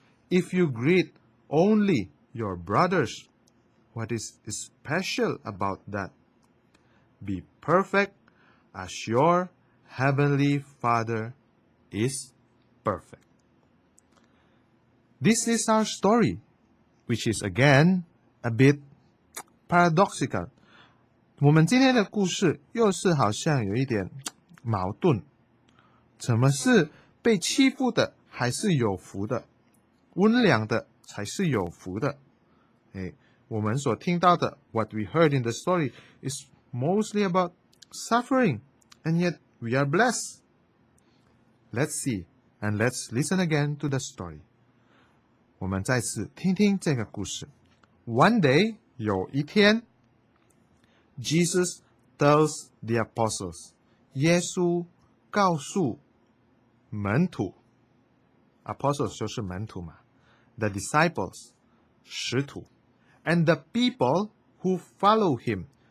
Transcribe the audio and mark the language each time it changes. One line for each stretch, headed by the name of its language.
English: If you greet only your brothers, what is special about that? Be perfect as your Heavenly Father is. Perfect. This is our story, which is again a bit paradoxical.
Chinese: 我们今天的故事又是好像有一点矛盾。怎么是被欺负的还是有福的？温良的才是有福的。哎，我们所听到的
English: what we heard in the story is mostly about suffering, and yet we are blessed. Let's see. And let's listen again to the story.
Chinese: 我们再次听听这个故事。
English: One day,
Chinese: 有一天
English: Jesus tells the apostles,
Chinese: 耶稣告诉门徒
English: Apostles
Chinese: 就是门徒嘛
English: The disciples,
Chinese: 使徒
English: And the people who follow him,